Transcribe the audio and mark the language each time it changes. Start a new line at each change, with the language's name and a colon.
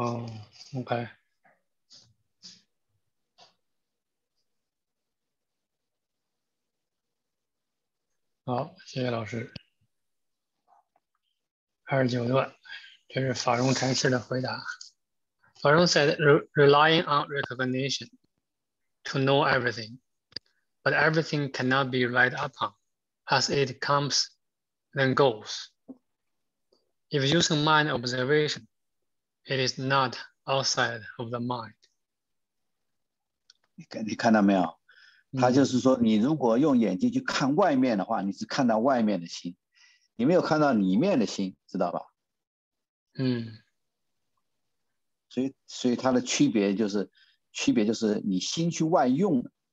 Chinese: OK。好，谢谢老师。 29段，这是法融禅师的回答。
English: 法融 said, relying on recognition to know everything. But everything cannot be relied upon as it comes, then goes. If using mind observation, it is not outside of the mind.
Chinese: 你看到没有？他就是说，你如果用眼睛去看外面的话，你只看到外面的心，你没有看到里面的心，知道吧？所以它的区别就是你心去外用。